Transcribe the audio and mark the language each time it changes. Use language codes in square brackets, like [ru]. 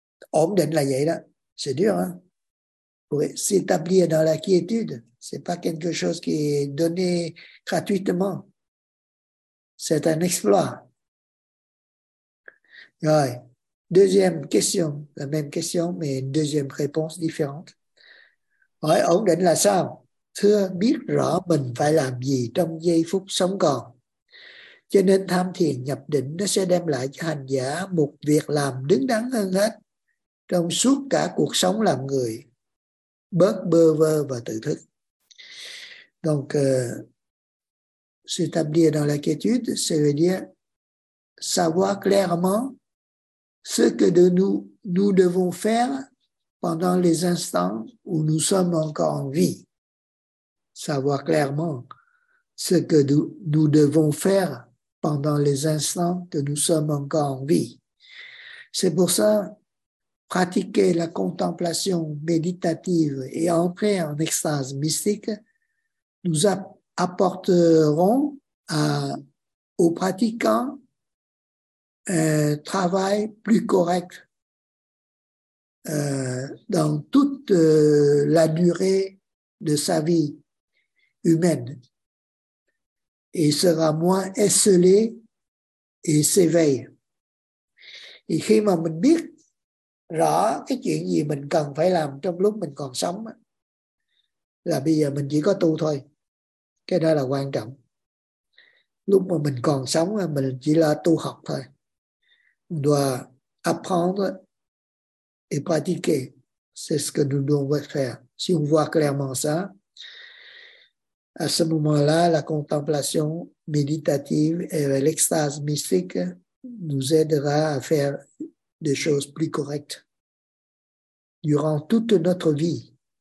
[fr] Om Den La Yéla, c'est dur, hein? Pour s'établir dans la quiétude. Ce n'est pas quelque chose qui est donné gratuitement. C'est un exploit. Ouais. Deuxième question, la même question, mais une deuxième réponse différente. [vi] Ouais, ông định là sao? Thưa, biết rõ mình phải làm gì trong giây phút sống còn. Cho nên tham thiền nhập định nó sẽ đem lại cho hành giả một việc làm đứng đắn hơn hết trong suốt cả cuộc sống làm người. Bớt bơ vơ và tự thức. [fr] Donc, s'établir dans la quiétude, ça veut dire savoir clairement ce que nous devons faire pendant les instants où nous sommes encore en vie. Savoir clairement ce que nous devons faire pendant les instants que nous sommes encore en vie. C'est pour ça, pratiquer la contemplation méditative et entrer en extase mystique nous apporteront aux pratiquants un travail plus correct dans toute la durée de sa vie humaine et sera moins esselé et s'éveille. [vi] Et khi mà mình biết rõ cái chuyện gì mình cần phải làm trong lúc mình còn sống là bây giờ mình chỉ có tu thôi. Cái đó là quan trọng. Lúc mà mình còn sống, mình chỉ là tu học thôi. [fr] On doit apprendre et pratiquer. C'est ce que nous devons faire. Si on voit clairement ça, à ce moment-là, la contemplation méditative et l'extase mystique nous aidera à faire des choses plus correctes durant toute notre vie.